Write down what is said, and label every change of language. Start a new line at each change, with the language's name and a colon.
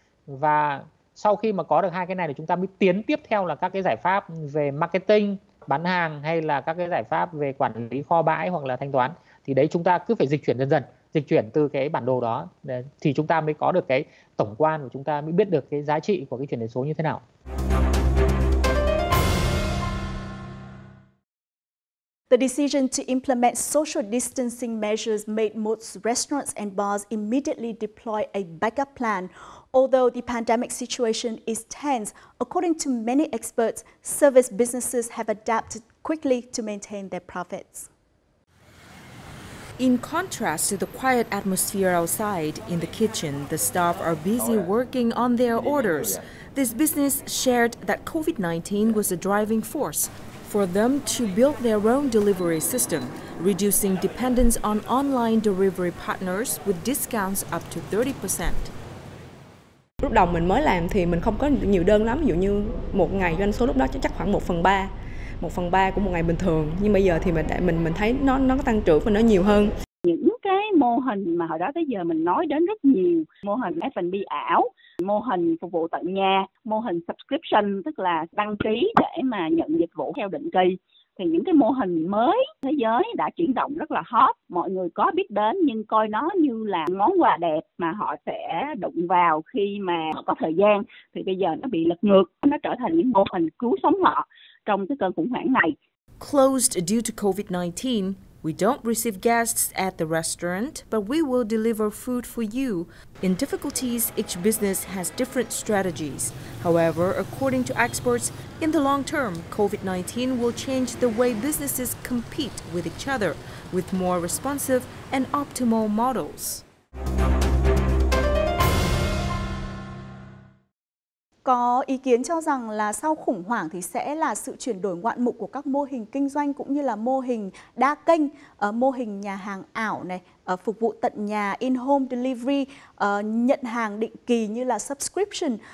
Vietnamese: Và sau khi mà có được hai cái này thì chúng ta mới tiến tiếp theo là các cái giải pháp về marketing, bán hàng hay là các cái giải pháp về quản lý kho bãi hoặc là thanh toán. Thì đấy, chúng ta cứ phải dịch chuyển dần dần, dịch chuyển từ cái bản đồ đó thì chúng ta mới có được cái tổng quan và chúng ta mới biết được cái giá trị của cái chuyển đổi số như thế nào.
English: The decision to implement social distancing measures made most restaurants and bars immediately deploy a backup plan. Although the pandemic situation is tense, according to many experts, service businesses have adapted quickly to maintain their profits. In contrast to the quiet atmosphere outside, in the kitchen, the staff are busy working on their orders. This business shared that COVID-19 was a driving force for them to build their own delivery system, reducing dependence on online delivery partners with discounts up to 30%.
Vietnamese: Lúc đầu mình mới làm thì mình không có nhiều đơn lắm, ví dụ như một ngày doanh số lúc đó chắc khoảng 1/3. 1/3 của một ngày bình thường, nhưng bây giờ thì mình thấy nó tăng trưởng và nó nhiều hơn. Những cái mô hình mà hồi đó tới giờ mình nói đến rất nhiều, mô hình F&B ảo, mô hình phục vụ tận nhà, mô hình subscription, tức là đăng ký để mà nhận dịch vụ theo định kỳ. Thì những cái mô hình mới thế giới đã chuyển động rất là hot, mọi người có biết đến nhưng coi nó như là món quà đẹp mà họ sẽ đụng vào khi mà họ có thời gian. Thì bây giờ nó bị lật ngược, nó trở thành những mô hình cứu sống họ trong cái cơn khủng hoảng này.
English: Closed due to COVID-19, we don't receive guests at the restaurant, but we will deliver food for you. In difficulties, each business has different strategies. However, according to experts, in the long term, COVID-19 will change the way businesses compete with each other, with more responsive and optimal models.
Vietnamese: Có ý kiến cho rằng là sau khủng hoảng thì sẽ là sự chuyển đổi ngoạn mục của các mô hình kinh doanh cũng như là mô hình đa kênh, mô hình nhà hàng ảo này, phục vụ tận nhà, in-home delivery, nhận hàng định kỳ như là subscription.